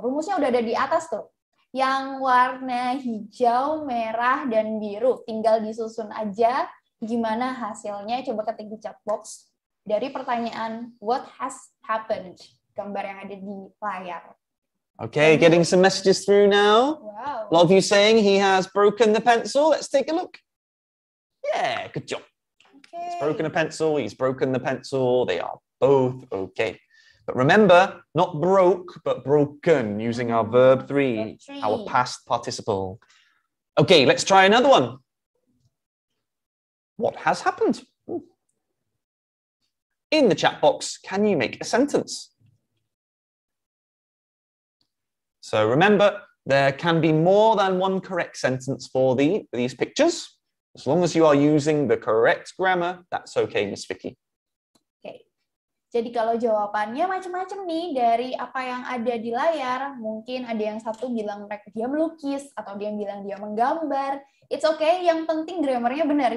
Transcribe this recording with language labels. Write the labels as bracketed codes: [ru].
[id] Rumusnya udah ada di atas tuh. Yang warna hijau, merah, dan biru. Tinggal disusun aja gimana hasilnya. Coba ketik di chat box dari pertanyaan [en] what has happened. [id] Gambar yang ada di layar. [en] Okay, getting some messages through now. Wow. Love you saying he has broken the pencil. Let's take a look. Yeah, good job. Okay. He's broken a pencil. He's broken the pencil. They are both okay. But remember, not broke, but broken, using our verb three, our past participle. Okay, let's try another one. What has happened? In the chat box, can you make a sentence? So remember, there can be more than one correct sentence for these pictures. As long as you are using the correct grammar, that's okay, Miss Vicky. Okay. [id] Jadi kalau jawabannya macam-macam nih dari apa yang ada di layar, mungkin ada yang satu bilang dia melukis, atau dia bilang dia menggambar. [en] It's okay, [id] yang penting grammarnya benar.